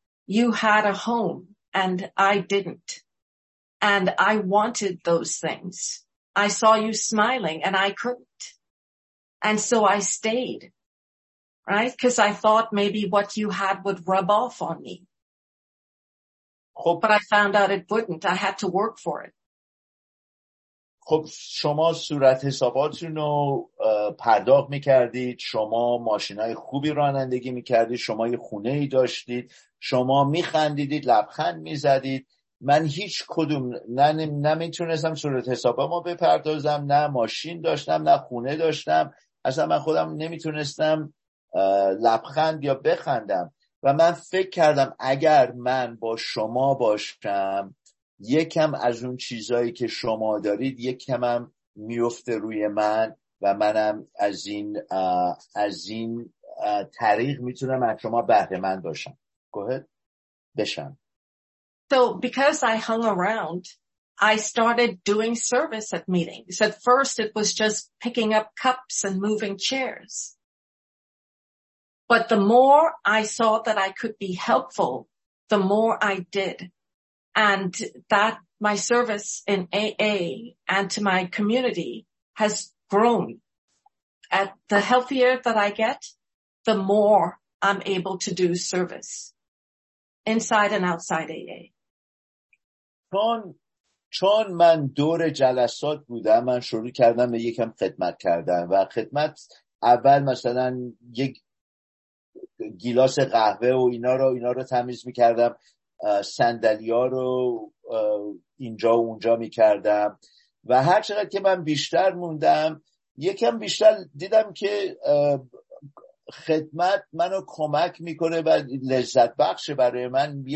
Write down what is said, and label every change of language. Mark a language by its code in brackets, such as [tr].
[en] You had a home and I didn't. And I wanted those things. I saw you smiling and I couldn't. And so I stayed. Right? Because I thought maybe what you had would rub off on me. [fa] خب. [en] But I found out it wouldn't. I had to work for it. [fa] خب شما صورت حساباتونو پرداخت میکردید. شما ماشینای خوبی رانندگی میکردید. شما یه خونه ای داشتید. شما میخندیدید. لبخند میزدید. من هیچ کدوم نمیتونستم صورت حسابامو بپردازم. نه ماشین داشتم. نه خونه داشتم. اصلا من خودم نمیتونستم لبخند یا بخندم و من فکر کردم اگر من با شما باشم یکم از اون چیزایی که شما دارید یکمم میفته روی من و منم از این طریق میتونم از شما بهره مند باشم. [en] Go ahead. [fa] بشم. [en] So because I hung around, I started doing service at meetings. At first it was just picking up cups and moving chairs. But the more I saw that I could be helpful, the more I did. And that my service in AA and to my community has grown. At the healthier that I get, the more I'm able to do service inside and outside AA. [fa] چون من دور جلسات بودم، من شروع کردم به یکم خدمت کردن و خدمت اول مثلا یک گیلاس قهوه و اینا رو تمیز میکردم، سندلی ها رو اینجا و اونجا میکردم و هر چقدر که من بیشتر موندم یکم بیشتر دیدم که خدمت منو کمک میکنه و لذت بخش برای من.